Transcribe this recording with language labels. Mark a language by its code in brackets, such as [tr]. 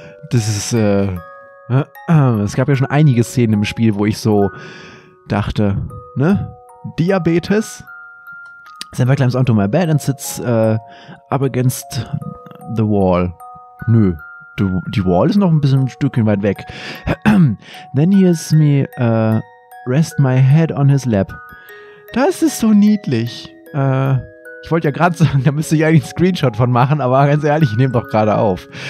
[de] Das ist, es gab ja schon einige Szenen im Spiel, wo ich so dachte, ne? Diabetes? [en] Senpai climbs onto my bed and sits up against the wall. [de] Nö, die Wall ist noch ein bisschen ein Stückchen weit weg. [en] Then he has me rest my head on his lap. [de] Das ist so niedlich. Ich wollte ja gerade sagen, da müsste ich eigentlich einen Screenshot von machen, aber ganz ehrlich, ich nehme doch gerade auf.